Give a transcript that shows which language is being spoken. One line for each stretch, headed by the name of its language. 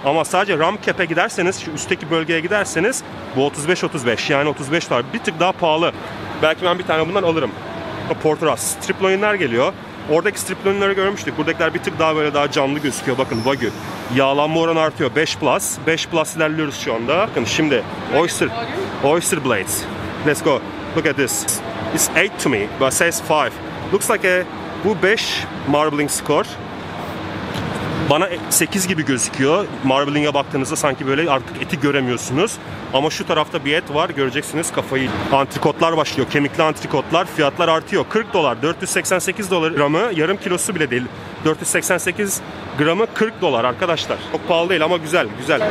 Turkish: Ama sadece rump cap'e giderseniz, şu üstteki bölgeye giderseniz bu 35-35. Yani 35 dolar. Bir tık daha pahalı. Belki ben bir tane bundan alırım. Porterhouse. Strip loin'ler geliyor. Oradaki strip loin'leri görmüştük. Buradakiler bir tık daha böyle daha canlı gözüküyor. Bakın Wagyu. Yağlanma oranı artıyor. 5 plus. 5 plus ilerliyoruz şu anda. Bakın şimdi.
English: Oyster blades. Let's go. Look at this. It's 8 to me, but it says 5. Looks like a...
Turkish: Bu
English: 5 marbling score.
Turkish: Bana 8 gibi gözüküyor. Marbling'e baktığınızda sanki böyle artık eti göremiyorsunuz. Ama şu tarafta bir et var, göreceksiniz kafayı. Antrikotlar başlıyor, kemikli antrikotlar. Fiyatlar artıyor. $40, $488 gramı, yarım kilosu bile değil. 488 gramı $40 arkadaşlar. Çok pahalı değil ama güzel, güzel.